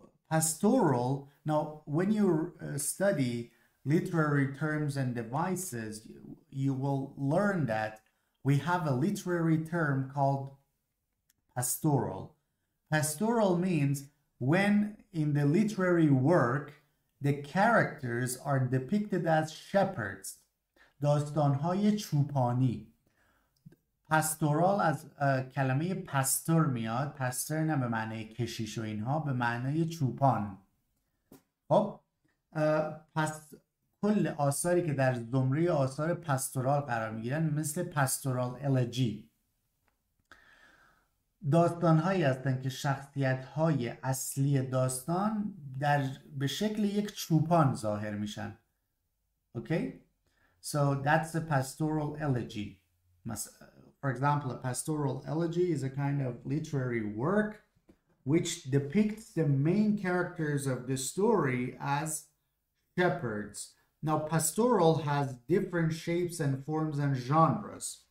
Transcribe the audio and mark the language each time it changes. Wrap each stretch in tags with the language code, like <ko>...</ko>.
<en>Pastoral, now when you study literary terms and devices, you will learn that we have a literary term called pastoral. Pastoral means when in the literary work the characters are depicted as shepherds.</en> <fa>داستان‌های چوپانی. پاستورال از کلمه پاستور میاد. پاستور نه به معنی کشیش و اینها، به معنی چوپان. خب پس کل آثاری که در زمره آثار پاستورال قرار می‌گیرن مثل پاستورال الیجی. داستان‌هایی هستند که شخصیت‌های اصلی داستان در به شکل یک چوپان ظاهر میشن.</fa> <en>Okay, so that's a pastoral elegy. For example, a pastoral elegy is a kind of literary work which depicts the main characters of the story as shepherds. Now, pastoral has different shapes and forms and genres.</en>